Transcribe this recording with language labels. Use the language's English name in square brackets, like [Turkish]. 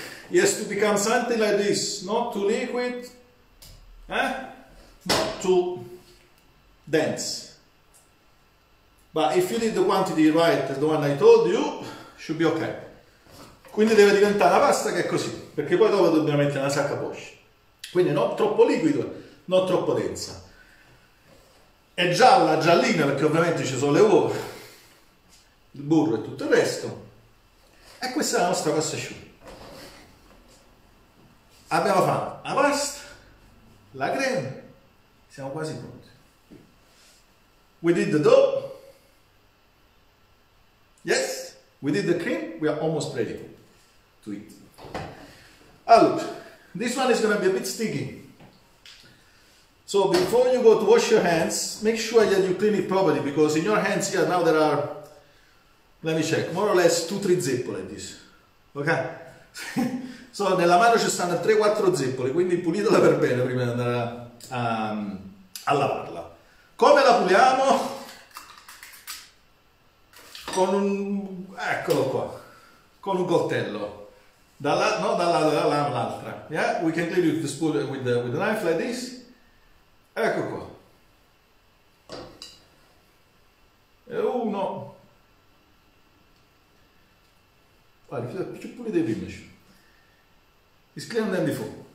[English] It has to become something like this, not too liquid, eh? Not too dense. But if you did the quantity right, the one I told you, should be okay. [Italian] Quindi deve diventare una pasta che è così, perché poi dopo dobbiamo mettere una sacca a poche. Quindi non troppo liquido, non troppo densa. È gialla, giallina, perché ovviamente ci sono le uova, il burro e tutto il resto. E questa è la nostra pasta asciutta. Abbiamo fatto la pasta, la crema, siamo quasi pronti. [English] We did the dough. Yes, we did the cream, we are almost ready to eat. Allora, this one is going to be a bit sticky. So before you go to wash your hands, make sure that you clean it properly, because in your hands here now there are, let me check, more or less 2-3 zeppole like this. Okay? [Italian] So nella mano ci stanno 3-4 zeppole, quindi pulitela per bene prima di andare a lavarla. Come la puliamo? Con un, eccolo qua, con un coltello, dalla, no, dall'altra, yeah? [English] We can clean it with the spoon, with the knife like this. [Italian] Ecco qua, e uno, guarda, c'è pure dei primi, [English] it's cleaner than before.